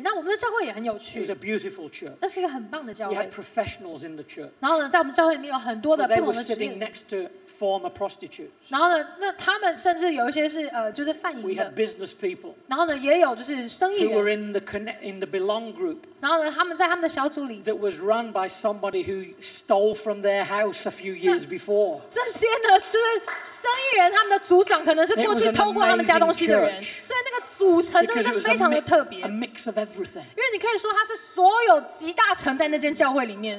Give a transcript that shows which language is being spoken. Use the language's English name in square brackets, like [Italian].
[Chinese] 那我们的教会也很有趣。 [English] It was a beautiful church. [Chinese] 那是一个很棒的教会。 [English] We had professionals in the church. [Chinese] 然后呢，在我们教会里面有很多的不同的职业。 [English] They were sitting next to former prostitutes. [Chinese] 然后呢，那他们甚至有一些是就是贩淫的。 [English] We had business people. [Chinese] 然后呢，也有就是生意人。 [English] Who were in the belong group. [Chinese] 然后呢，他们在他们的小组里。 [English] That was run by somebody who stole from their house a few years before. [Chinese] 这些呢，就是生意人他们的组长可能是过去偷过他们家东西的人。所以那个组成真的是非常的特别。 [English] A mix of everything. [Chinese] 因为你可以说它是所有集大成在那间教会里面。